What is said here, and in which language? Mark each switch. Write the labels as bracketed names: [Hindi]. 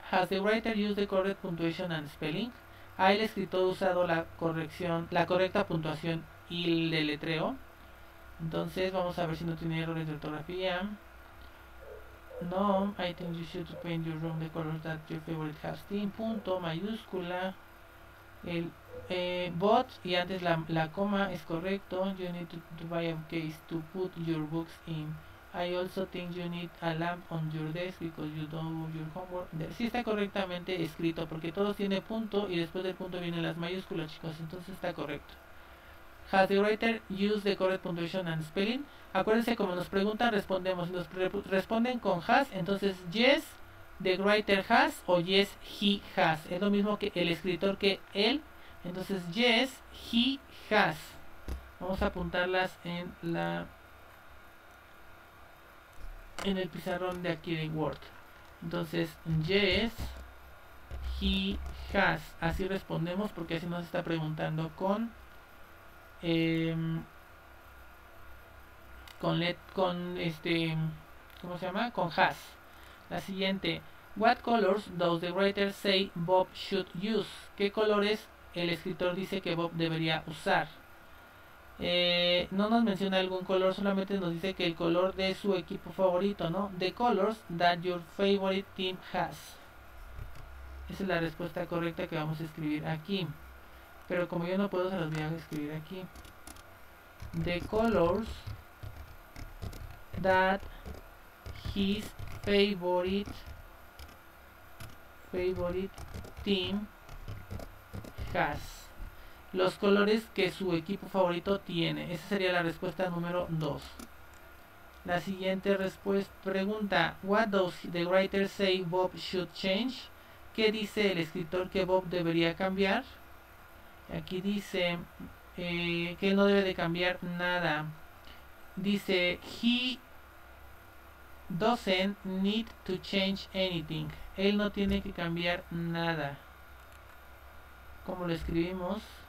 [English] Has the writer used the correct punctuation and spelling? [Spanish] ¿Ha el escritor usado la correcta puntuación y el de letreo? Entonces, vamos a ver si no tiene errores de ortografía. [English] No, I think you should paint your room the color that your favorite has team. [Spanish] Punto, mayúscula. El bot y antes la coma es correcto. [English] You need to buy a case to put your books in. I also think you need a lamp on your desk because you don't do your homework. [Spanish] Sí está correctamente escrito porque todos tiene punto y después del punto vienen las mayúsculas, chicos. Entonces está correcto. [English] Has the writer used the correct punctuation and spelling? [Spanish] Acuérdense, como nos preguntan, respondemos. Nos responden con has, entonces [English] yes, the writer has, [Spanish] o [English] yes, he has. [Spanish] Es lo mismo que el escritor que él. Entonces, [English] yes, he has. [Spanish] Vamos a apuntarlas en el pizarrón de aquí de Word. [English] Entonces, yes, he has. [Spanish] Así respondemos porque así nos está preguntando con has. La siguiente. [English] What colors does the writer say Bob should use? [Spanish] ¿Qué colores el escritor dice que Bob debería usar? No nos menciona algún color, solamente nos dice que el color de su equipo favorito, ¿no? [English] The colors that your favorite team has. [Spanish] Esa es la respuesta correcta que vamos a escribir aquí. Pero como yo no puedo, se los voy a escribir aquí. [English] The colors that his favorite team has. [Spanish] Los colores que su equipo favorito tiene. Esa sería la respuesta número 2. La siguiente pregunta. [English] What does the writer say Bob should change? [Spanish] ¿Qué dice el escritor que Bob debería cambiar? Aquí dice que no debe de cambiar nada. Dice, [English] Doesn't need to change anything. [Spanish] Él no tiene que cambiar nada. ¿Cómo lo escribimos?